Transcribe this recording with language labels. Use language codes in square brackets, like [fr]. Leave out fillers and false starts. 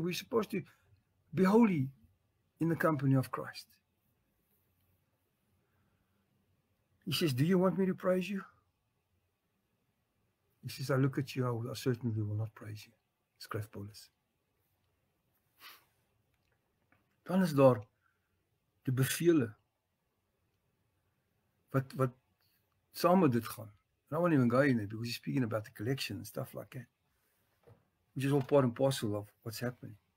[en] We're supposed to be holy in the company of Christ. He says, do you want me to praise you? He says, I look at you, I certainly will not praise you. [af] Skryf Paulus. Dan is daar die bevele wat saam met dit gaan. [en] And I won't even go in there because he's speaking about the collection and stuff like that. Which is all part and parcel of what's happening.